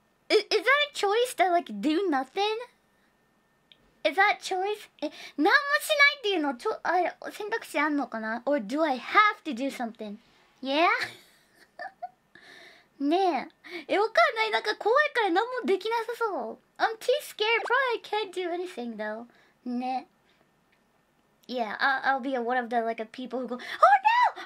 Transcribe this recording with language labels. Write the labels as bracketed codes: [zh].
[en] Is that a choice to like do nothing? Is that choice? [ja] なんもしないっていうの選択肢あんのかな? [en] Or do I have to do something? Yeah? [ja] ねえ、わかんない。なんか怖いから何もできなさそう。 [en] I'm too scared. Probably I can't do anything though. ね。 Yeah, I'll be one of the like people who go, oh no!